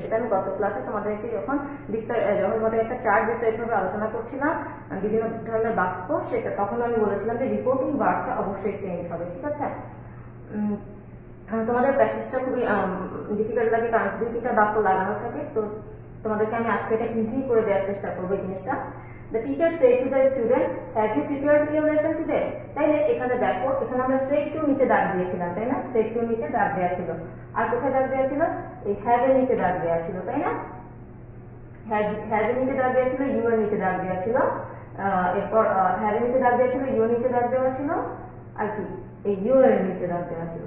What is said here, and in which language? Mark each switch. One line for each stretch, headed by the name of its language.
Bangla: সেটা আমি গত ক্লাসে তোমাদেরকে যখন বিস্তারিত একটা চার্ট বিস্তারিতভাবে আলোচনা করছিলাম বিভিন্ন ধরনের বাক্য, সেটা তখন আমি বলেছিলাম যে রিপোর্টিং ভার্বটা অবশ্যই চেঞ্জ হবে, ঠিক আছে? তোমাদের প্যাসেজটা খুবই ডিফিকাল্ট লাগে কারণ দুই তিনটা বাক্য লাগানো থাকে, তো তোমাদেরকে আমি আজকে এটা ইজি করে দেওয়ার চেষ্টা করবো এই জিনিসটা।
English: The teacher said to the student, have you prepared your lesson today?
Bangla: তাইলে এখানে দেখো, এখানে আমরা সেই টু নিতে দাগ দিয়েছিলাম, তাই না? সেই টু নিতে দাগ দেওয়া ছিল, আর কোথায় দাগ দেওয়া ছিল? এই হ্যাভ এর নিতে দাগ দেওয়া ছিল, তাই না? হ্যাভ এর নিতে দাগ দেওয়া ছিল, ইউ এর নিতে দাগ দেওয়া ছিল, এরপর হ্যাভ এর নিতে দাগ দেওয়া ছিল, ইউ এর নিতে দাগ দেওয়া ছিল, আর কি এই ইউ এর নিতে দাগ দেওয়া ছিল।